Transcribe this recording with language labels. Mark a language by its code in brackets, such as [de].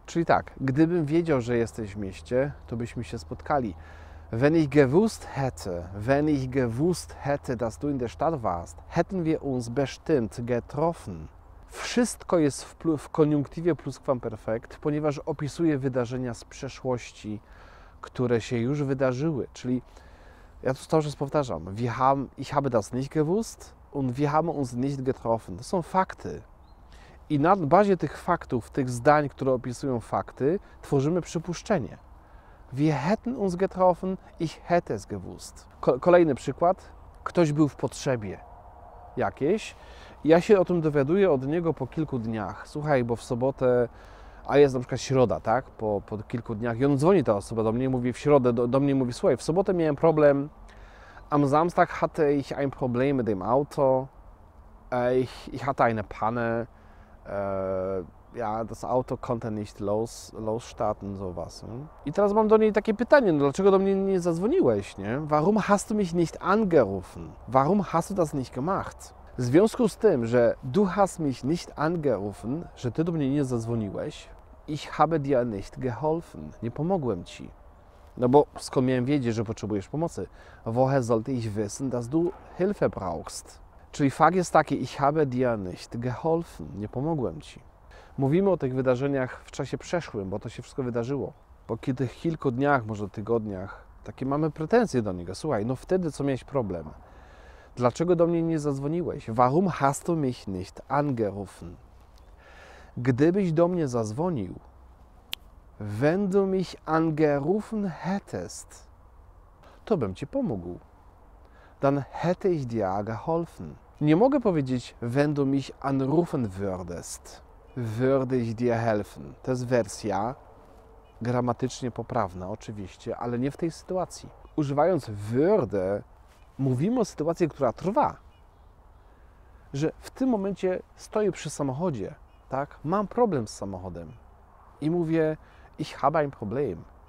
[pl] Czyli tak, gdybym wiedział, że jesteś w mieście, to byśmy się spotkali. [de] Wenn ich gewusst hätte, dass du in der Stadt warst, hätten wir uns bestimmt getroffen. [pl] Wszystko jest w koniunktiwie pluskwamperfekt, ponieważ opisuje wydarzenia z przeszłości, które się już wydarzyły. Czyli ja to cały czas powtarzam. [de] Ich habe das nicht gewusst und wir haben uns nicht getroffen. [pl] To są fakty. I na bazie tych faktów, tych zdań, które opisują fakty, tworzymy przypuszczenie. [de] Wir hätten uns getroffen, ich hätte es gewusst. [pl] Kolejny przykład. Ktoś był w potrzebie jakiejś. Ja się o tym dowiaduję od niego po kilku dniach. Słuchaj, bo w sobotę, a jest na przykład środa, tak? Po kilku dniach. I on dzwoni, ta osoba do mnie, mówi w środę, do mnie mówi, słuchaj, w sobotę miałem problem. [de] Am Samstag hatte ich ein Problem mit dem Auto. Ich hatte eine Panne. Ja, das Auto konnte nicht losstarten, sowas. [pl] I teraz mam do niej takie pytanie, no dlaczego do mnie nie zadzwoniłeś, nie? [de] Warum hast du mich nicht angerufen? Warum hast du das nicht gemacht? [pl] W związku z tym, że [de] du hast mich nicht angerufen, [pl] że ty do mnie nie zadzwoniłeś, [de] ich habe dir nicht geholfen, [pl] nie pomogłem ci. No bo skąd miałem wiedzieć, że potrzebujesz pomocy? [de] Woher sollte ich wissen, dass du Hilfe brauchst? [pl] Czyli fakt jest taki, [de] ich habe dir nicht geholfen, [pl] nie pomogłem ci. Mówimy o tych wydarzeniach w czasie przeszłym, bo to się wszystko wydarzyło. Po tych kilku dniach, może tygodniach, takie mamy pretensje do niego. Słuchaj, no wtedy co miałeś problem? Dlaczego do mnie nie zadzwoniłeś? [de] Warum hast du mich nicht angerufen? [pl] Gdybyś do mnie zadzwonił, [de] wenn du mich angerufen hättest, [pl] to bym ci pomógł. [de] Dann hätte ich dir geholfen. [pl] Nie mogę powiedzieć, [de] wenn du mich anrufen würdest, würde ich dir helfen. [pl] To jest wersja gramatycznie poprawna, oczywiście, ale nie w tej sytuacji. Używając würde, mówimy o sytuacji, która trwa. Że w tym momencie stoję przy samochodzie, tak? Mam problem z samochodem. I mówię, [de] ich habe ein Problem.